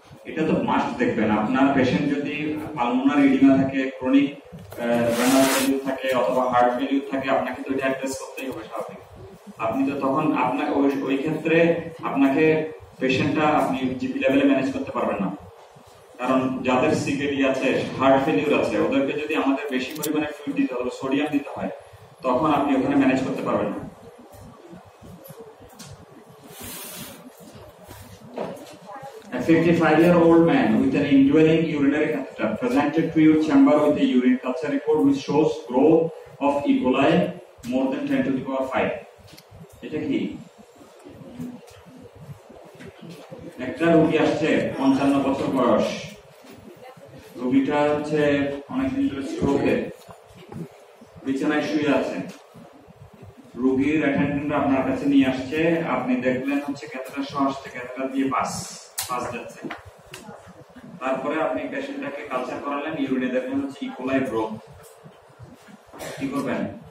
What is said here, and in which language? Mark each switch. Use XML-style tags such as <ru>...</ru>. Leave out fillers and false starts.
<bn>এটা তো মাস্ট দেখবেন, আপনার পেশেন্ট যদি পালমোনার এডিমা থাকে, ক্রনিক রেনাল ফেলিউর থাকে অথবা হার্ট ফেলিউর থাকে, আপনাকে তো এটা অ্যাড্রেস করতেই হবে স্বাভাবিক, আপনি তো তখন আপনাকে ওই ক্ষেত্রে আপনাকে পেশেন্টটা আপনি জিপি লেভেলে ম্যানেজ করতে পারবেন না, কারণ যাদের সিকেডি আছে, হার্ট ফেলিউর আছে, ওদেরকে যদি আমাদের বেশি পরিমাণে ফিউল দিতে হবে, সোডিয়াম দিতে হয়, তখন আপনি ওখানে ম্যানেজ করতে পারবেন না।</bn> <en>A 55-year-old man with an indwelling urinary catheter presented to your chamber with a urine culture report which shows growth of E. coli more than 10 to the power 5.</en> <bn>এটা কি? একটা রোগী আসছে 55 বছর বয়স, রোগীটা হচ্ছে অনেকদিন ধরে স্ট্রোকে বিছানায় শুয়ে আছে, রোগীর অ্যাটেন্ডেন্ট আপনার কাছে নিয়ে আসছে, আপনি দেখলেন হচ্ছে ক্যাথেটার শো আসছে, ক্যাথেটার দিয়ে পাস পাস যাচ্ছে, তারপরে আপনি পেশেন্টটাকে কালচার করালেন, ইউরিনে দেখলেন হচ্ছে ইকোলাই গ্রোথ, কি করবেন?</bn>